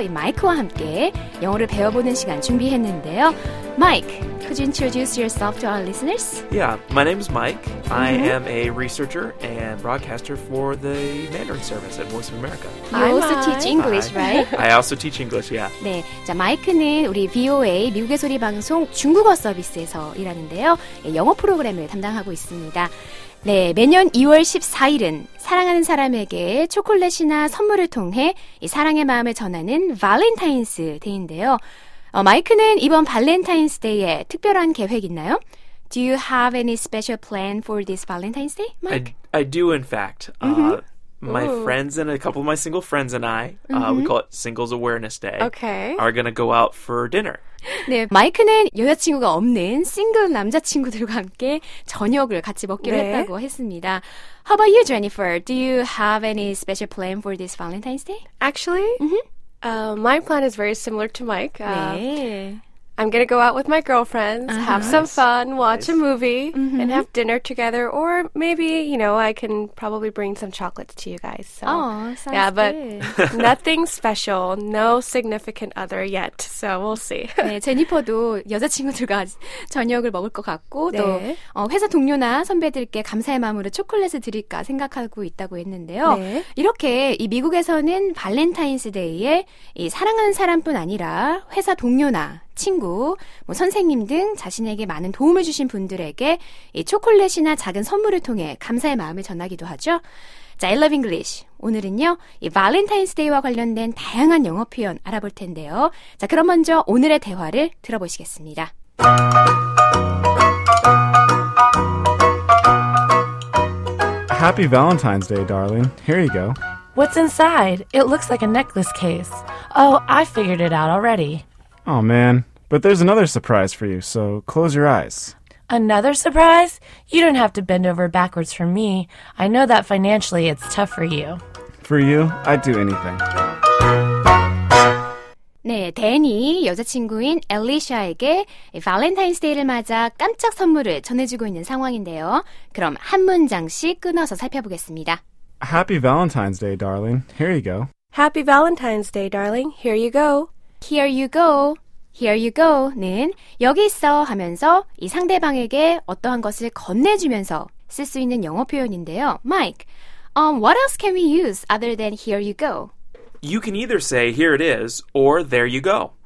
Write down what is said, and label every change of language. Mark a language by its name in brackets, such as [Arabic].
[Korean] 이 마이크와 함께 영어를 배워보는 시간 준비했는데요. [English] Mike, could you introduce yourself to our listeners? Yeah, my name is Mike. Mm-hmm. I am a researcher and broadcaster for the Mandarin Service at Voice of America. I also teach English, right? I also teach English, yeah. [Korean] 네, 자, 마이크는 우리 VOA, 미국의 소리 방송 중국어 서비스에서 일하는데요. 예, 영어 프로그램을 담당하고 있습니다. 네, 매년 2월 14일은 사랑하는 사람에게 초콜릿이나 선물을 통해 이 사랑의 마음을 전하는 발렌타인스 데이인데요. 마이크는 이번 발렌타인스 데이에 특별한 계획 있나요? [English] Do you have any special plan for this Valentine's Day, Mike? I do, in fact. My friends and a couple of my single friends and I, we call it Singles Awareness Day, are going to go out for dinner. [Korean] 네, 마이크는 여자친구가 없는 싱글 남자친구들과 함께 저녁을 같이 먹기로 했다고 했습니다. [English] How about you, Jennifer? Do you have any special plan for this Valentine's Day? Actually, my plan is very similar to Mike. I'm going to go out with my girlfriends, have some fun, watch a movie, and have dinner together. Or maybe, you know, I can probably bring some chocolates to you guys. So. Oh, sounds good. Yeah, but nothing special, no significant other yet. So we'll see. [Korean] 네, 제니퍼도 여자친구들과 저녁을 먹을 것 같고 네. 또 회사 동료나 선배들께 감사의 마음으로 초콜릿을 드릴까 생각하고 있다고 했는데요. 네. 이렇게 이 미국에서는 발렌타인스 데이에 이 사랑하는 사람뿐 아니라 회사 동료나 친구, 뭐 선생님 등 자신에게 많은 도움을 주신 분들에게 이 초콜릿이나 작은 선물을 통해 감사의 마음을 전하기도 하죠. [English] 자, I love English. [Korean] 오늘은요, 이 발렌타인스 데이와 관련된 다양한 영어 표현 알아볼 텐데요. 자, 그럼 먼저 오늘의 대화를 들어보시겠습니다. [English] Happy Valentine's Day, darling. Here you go. What's inside? It looks like a necklace case. Oh, I figured it out already. Oh, man. But there's another surprise for you, so close your eyes. Another surprise? You don't have to bend over backwards for me. I know that financially it's tough for you. For you? I'd do anything. [Korean] 네, 댄이 여자친구인 엘리샤에게 발렌타인스 데이를 맞아 깜짝 선물을 전해주고 있는 상황인데요. 그럼 한 문장씩 끊어서 살펴보겠습니다. [English] Happy Valentine's Day, darling. Here you go. Happy Valentine's Day, darling. Here you go. Here you go. Here you go. [Korean] 는 여기 있어 하면서 이 상대방에게 어떠한 것을 건네주면서 쓸 수 있는 영어 표현인데요. [English] Mike, what else can we use other than here you go? You can either say here it is or there you go.